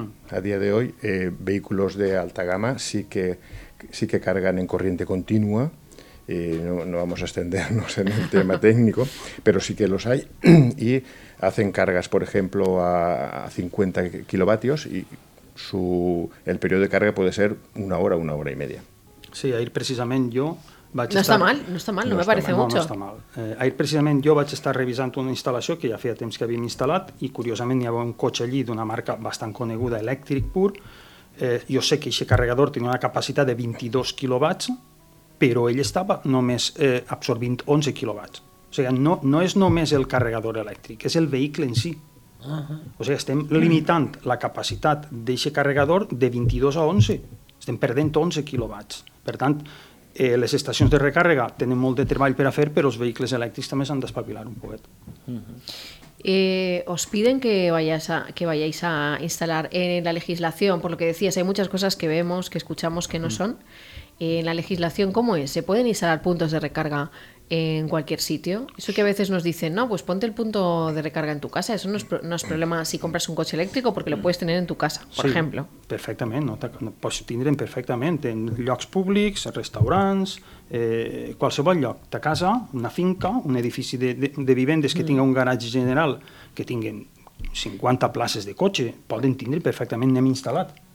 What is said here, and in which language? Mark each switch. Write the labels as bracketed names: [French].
[Spanish] A día de hoy, vehículos de alta gama sí que cargan en corriente continua. No vamos a extendernos en el tema técnico, pero sí que los hay. Y hacen cargas, por ejemplo, a 50 kilovatios y el periodo de carga puede ser una hora y media. Sí, ahí precisamente yo... [Catalan] No està mal. Ahir precisament jo vaig estar revisant una instal·lació que ja feia temps que havíem instal·lat i curiosament hi havia un cotxe allí d'una marca bastant coneguda, elèctric pur. Jo sé que aquest carregador tenia una capacitat de 22 kW, però ell estava només absorbint 11 kW. O sigui, no és només el carregador elèctric, és el vehicle en si. O sigui, estem limitant la capacitat d'aquest carregador de 22 a 11. Estem perdent 11 kW. Per tant, les estacions de recàrrega tenen molt de treball per a fer, però els vehicles elèctrics també s'han d'espavilar un poquet. [Spanish] Os piden que vayáis a instalar en la legislación, por lo que decías, hay muchas cosas que vemos, que escuchamos, que no son. En la legislación, ¿cómo es? ¿Se pueden instalar puntos de recarga en cualquier sitio? Eso que a veces nos dicen, no, pues ponte el punto de recarga en tu casa, eso no es problema si compras un coche eléctrico, porque lo puedes tener en tu casa, por ejemplo. [Catalan] Perfectamente, no, pues tindrem perfectamente en llocs públics, restaurants, qualsevol lloc, ta casa, una finca, un edifici de vivendes que tinga un garatge general, que tinguin 50 places de cotxe, poden tindre perfectament, n'hem instal·lat.